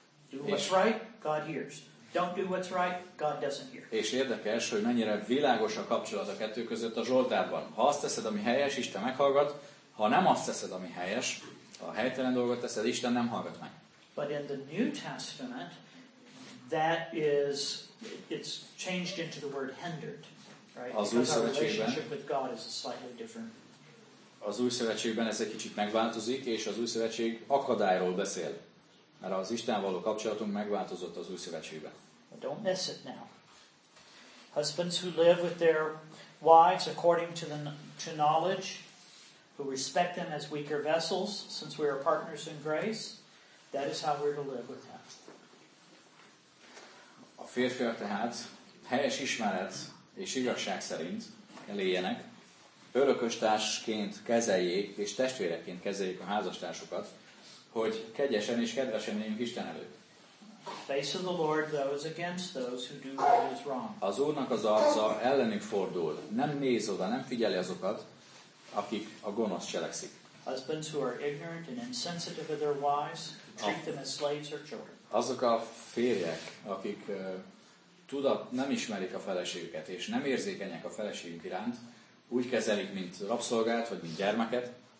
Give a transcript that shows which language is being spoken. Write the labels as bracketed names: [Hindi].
[English] Do what's right, God hears. Don't do what's right, God doesn't hear. [Hungarian] És érdekes, hogy mennyire világos a kapcsolat a kettő között a Zsoltárban. Ha azt teszed, ami helyes, Isten meghallgat. Ha nem azt teszed, ami helyes, ha helytelen dolgot teszed, Isten nem hallgat meg. [English] But in the New Testament, that is, it's changed into the word hindered, right? [Hungarian] Az új szövetségben, [English] with God is a slightly different. [Hungarian] Az új szövetségben ez egy kicsit megváltozik, és az új szövetség akadályról beszél. Mert az Isten való kapcsolatunk megváltozott az új szövetségben. [English] Don't miss it now. Husbands who live with their wives according to the to knowledge, who respect them as weaker vessels, since we are partners in grace, that is how we're to live with them. [Hungarian] A férfiak tehát helyes ismeret és igazság szerint éljenek, örököstársként kezeljék és testvéreként kezeljék a házastársukat, hogy kegyesen és kedvesen éljünk Isten előtt. [English] Face of the Lord, those against those who do what is wrong. [Hungarian] Az Úrnak az arca ellenük fordul, nem néz oda, nem figyeli azokat, akik a gonosz cselekszik. [English] Husbands who are ignorant and insensitive of their wives, treat them as slaves or children. [Hungarian] Azok a férjek, akik nem ismerik a feleségüket és nem érzékenyek a feleségük iránt, úgy kezelik, mint rabszolgát vagy mint gyermeket.